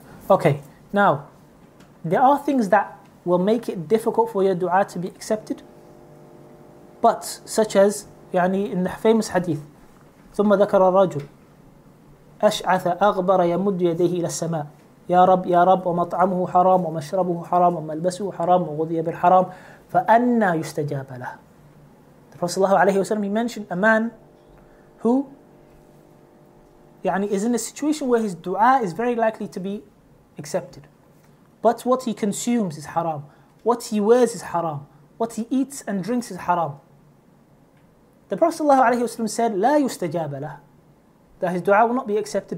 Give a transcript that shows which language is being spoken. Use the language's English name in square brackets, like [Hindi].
[English] Okay, now, there are things that will make it difficult for your dua to be accepted. But, such as, [Arabic] يعني, [English] in the famous hadith, [Arabic] ثم ذكر الرجل أشعث أغبر يمد يديه إلى السماء يا رب يا رب ومطعمه حرام ومشربه حرام وملبسه حرام وغذي بالحرام فأنا يستجاب له. [English] The Prophet [Arabic] صلى الله عليه وسلم, [English] he mentioned a man who يعني, is in a situation where his dua is very likely to be accepted. But what he consumes is haram. What he wears is haram. What he eats and drinks is haram. The Prophet ﷺ said, [Arabic] لا يستجاب له, [English] that his dua will not be accepted.